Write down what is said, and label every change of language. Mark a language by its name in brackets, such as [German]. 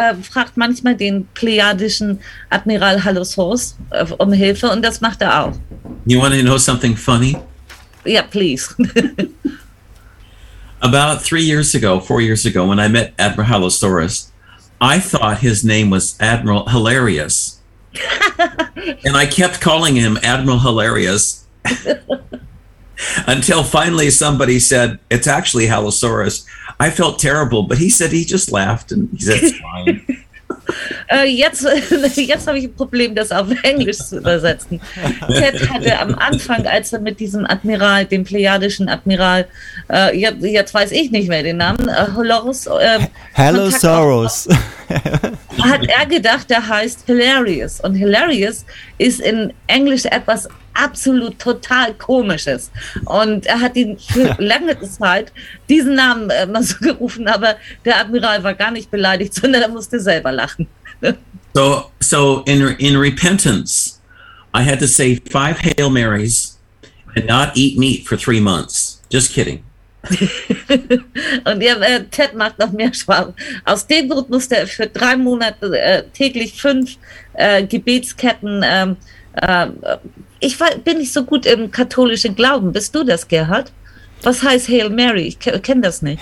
[German] Fragt manchmal den pleiadischen Admiral Halosaurus um Hilfe, und das macht auch. [English] You want to know something funny? Yeah, please. About 3 years ago, 4 years ago, when I met Admiral Halosaurus, I thought his name was Admiral Hilarious. And I kept calling him Admiral Hilarious until finally somebody said, it's actually Halosaurus. I felt terrible, but he said he just laughed and he said, it's fine. [German] Jetzt habe ich ein Problem, das auf Englisch zu übersetzen. Ted hatte am Anfang, als er mit diesem Admiral, dem pleiadischen Admiral, jetzt weiß ich nicht mehr den Namen, Halosaurus. Halosaurus. Hat er gedacht, der heißt Hilarious. Und Hilarious ist in Englisch etwas absolut total Komisches. Und er hat ihn für lange Zeit diesen Namen mal so gerufen, aber der Admiral war gar nicht beleidigt, sondern er musste selber lachen. [English] So in repentance, I had to say 5 Hail Marys and not eat meat for 3 months. Just kidding. [German] Und ja, Ted macht noch mehr Spaß. Aus dem Grund musste er für 3 Monate täglich 5 Gebetsketten. Ich bin nicht so gut im katholischen Glauben. Bist du das, Gerhard? Was heißt Hail Mary? Ich kenne das nicht.